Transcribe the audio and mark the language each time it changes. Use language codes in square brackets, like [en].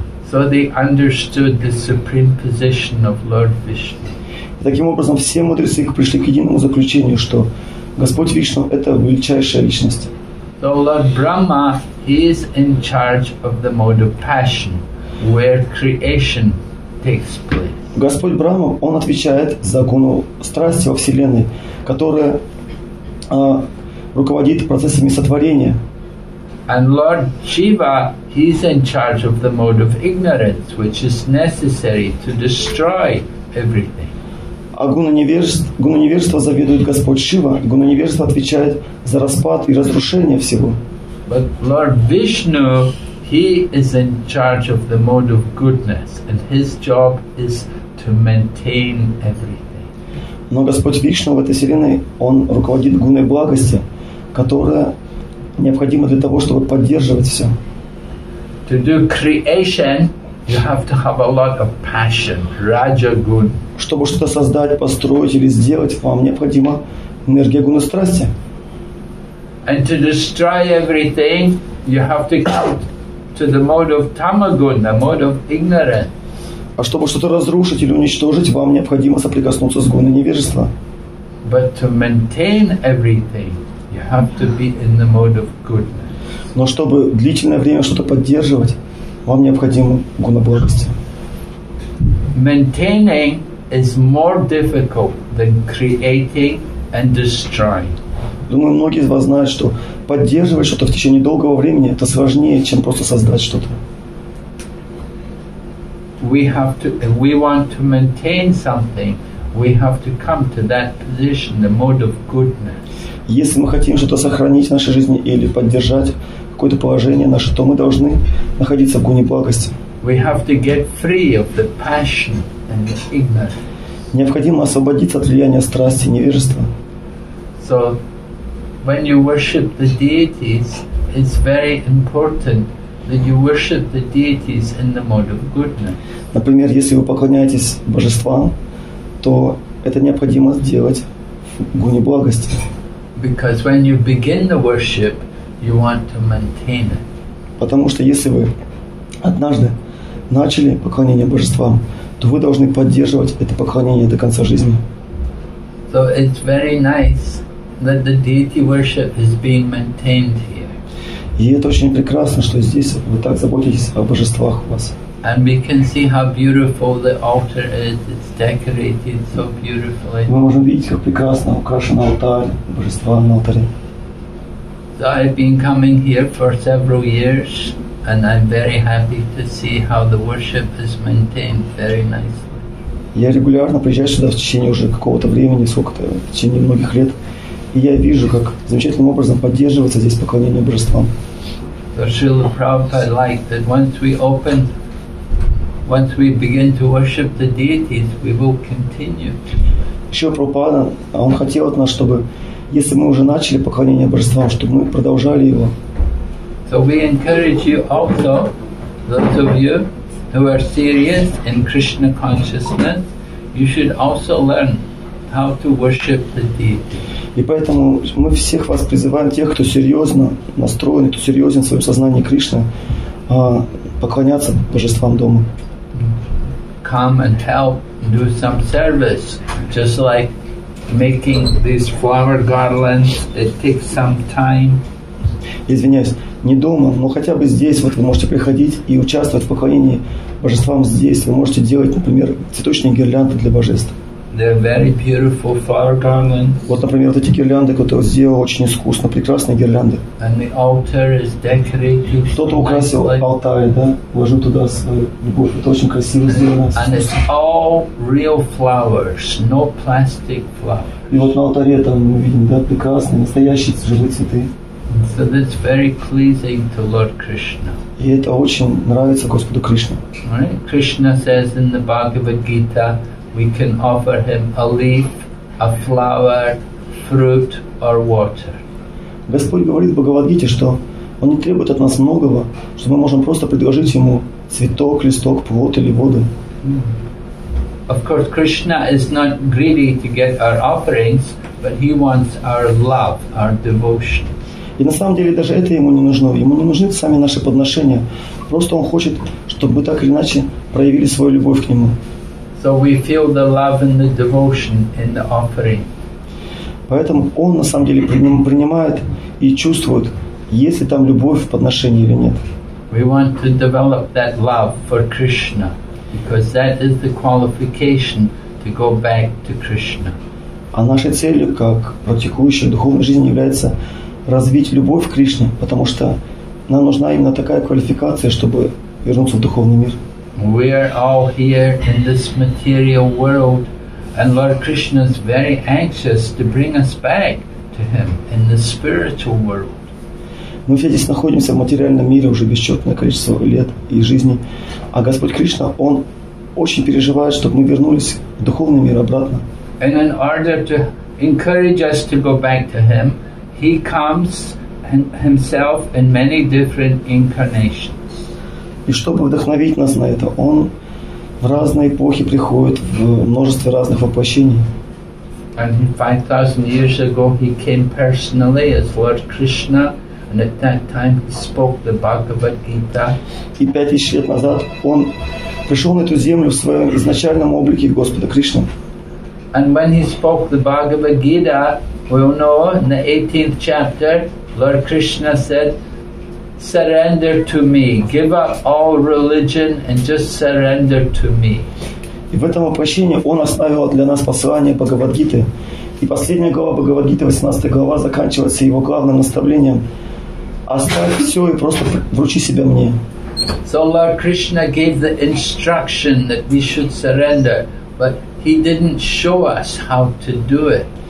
[en] So they understood the supreme position of Lord Vishnu. [ru] Таким образом, все мудрецы пришли к единому заключению, что Господь Вишну – это величайшая личность. [en] So Lord Brahma, he is in charge of the mode of passion, where creation takes place. [ru] Господь Брахма, он отвечает за гуну страсти во Вселенной, которая руководит процессами сотворения. [en] And Lord Shiva, he's in charge of the mode of ignorance, which is necessary to destroy everything. [ru] А гуна невежества заведует Господь Шива. Гуна невежества отвечает за распад и разрушение всего. [en] But Lord Vishnu, he is in charge of the mode of goodness, and his job is to maintain everything. [ru] Но Господь Вишну в этой вселенной, он руководит гуной благости, которая необходимо для того, чтобы поддерживать все. [en] To do creation, you have to have a lot of passion, rajagun. [ru] Чтобы что-то создать, построить или сделать, вам необходима энергия гуна страсти. [en] And to destroy everything, you have to come to the mode of tamagun, the mode of ignorance. [ru] А чтобы что-то разрушить или уничтожить, вам необходимо соприкоснуться с гуной невежества. [en] But to maintain everything, you have to be in the mode of goodness. [ru] Но чтобы длительное время что-то поддерживать, вам необходимо гуна благости. [en] Maintaining is more difficult than creating and destroying. [ru] Думаю, многие из вас знают, что поддерживать что-то в течение долгого времени это сложнее, чем просто создать что-то. [en] We want to maintain something. We have to come to that position, the mode of goodness. [ru] Если мы хотим что-то сохранить в нашей жизни или поддержать какое-то положение наше, то мы должны находиться в гуне благости. [en] We have to get free of the passion and the ignorance. [ru] Необходимо освободиться от влияния страсти и невежества. [en] So, when you worship the deities, it's very important that you worship the deities in the mode of goodness. [ru] Например, если вы поклоняетесь божествам, то это необходимо сделать в гуне благости. [en] Because when you begin the worship, you want to maintain it. [ru] Потому что если вы однажды начали поклонение божествам, то вы должны поддерживать это поклонение до конца жизни. [en] So it's very nice that the deity worship is being maintained here. [ru] И это очень прекрасно, что здесь вы так заботитесь о божествах у вас. [en] And we can see how beautiful the altar is. It's decorated so beautifully. [ru] Мы можем видеть, как прекрасно украшен алтарь, божества на алтаре. [en] So I've been coming here for several years, and I'm very happy to see how the worship is maintained very nicely. [ru] Я регулярно приезжаю сюда в течение уже какого-то времени, сколько-то, в течение многих лет, и я вижу, как замечательным образом поддерживается здесь поклонение божествам. [en] So Srila Prabhupada liked that once we open. Once we begin to worship the deities, we will continue. [ru] Еще Прабхупада, он хотел от нас, чтобы, если мы уже начали поклонение божествам, чтобы мы продолжали его. [en] So we encourage you also, those of you who are serious in Krishna consciousness, you should also learn how to worship the deities. [ru] И поэтому мы всех вас призываем, тех, кто серьезно настроен, кто серьезен в своем сознании Кришны, поклоняться божествам дома. [en] Come and help do some service, just like making these flower garlands. It takes some time. [ru] Извиняюсь, не дома, но хотя бы здесь вот вы можете приходить и участвовать в поклонении божествам здесь. Вы можете делать, например, цветочные гирлянды для божеств. [en] They're very beautiful flower garlands. [ru] Вот, например, вот эти гирлянды, которые сделал очень искусно, прекрасные гирлянды. [en] And the altar is decorated. [ru] Кто-то украсил алтарь, да? Вложил туда свою любовь. Это очень красиво сделано. [en] And it's all real flowers, no plastic flowers. [ru] И вот на алтаре там мы видим, да, прекрасные, настоящие живые цветы. [en] So that's very pleasing to Lord Krishna. [ru] И это очень нравится Господу Кришне. [en] Right? Krishna says in the Bhagavad Gita, we can offer him a leaf, a flower, fruit, or water. [ru] Господь говорит в Бхагавад-гите, что он не требует от нас многого, что мы можем просто предложить ему цветок, листок, плод или воду. [en] Of course, Krishna is not greedy to get our offerings, but he wants our love, our devotion. [ru] И на самом деле даже это ему не нужно. Ему не нужны сами наши подношения. Просто он хочет, чтобы мы так или иначе проявили свою любовь к нему. [en] So we feel the love and the devotion in the offering. [ru] Поэтому он на самом деле принимает и чувствует, есть ли там любовь в подношении или нет. [en] We want to develop that love for Krishna, because that is the qualification to go back to Krishna. [ru] А нашей целью, как практикующей духовной жизни, является развить любовь к Кришне, потому что нам нужна именно такая квалификация, чтобы вернуться в духовный мир. [en] We are all here in this material world, and Lord Krishna is very anxious to bring us back to Him in the spiritual world. [ru] Мы все здесь находимся в материальном мире уже бесчетное количество лет и жизней, а Господь Кришна, Он очень переживает, чтобы мы вернулись в духовный мир обратно. [en] And in order to encourage us to go back to Him, He comes Himself in many different incarnations. [ru] И чтобы вдохновить нас на это, Он в разные эпохи приходит, в множестве разных воплощений. [en] And 5,000 years ago He came personally as Lord Krishna, and at that time He spoke the Bhagavad Gita. [ru] И 5,000 лет назад Он пришел на эту землю в своем изначальном облике Господа Кришны. [en] And when He spoke the Bhagavad Gita, we all know in the 18th chapter, Lord Krishna said, Surrender to me. Give up all religion and just surrender to me. [ru] И в этом воплощении Он оставил для нас послание Бхагавад-гиты. И последняя глава Бхагавад-гиты, 18 глава, заканчивается Его главным наставлением. Оставь все и просто вручи себя мне. [en] So Lord Krishna gave the instruction that we should surrender, but He didn't show us how to do it.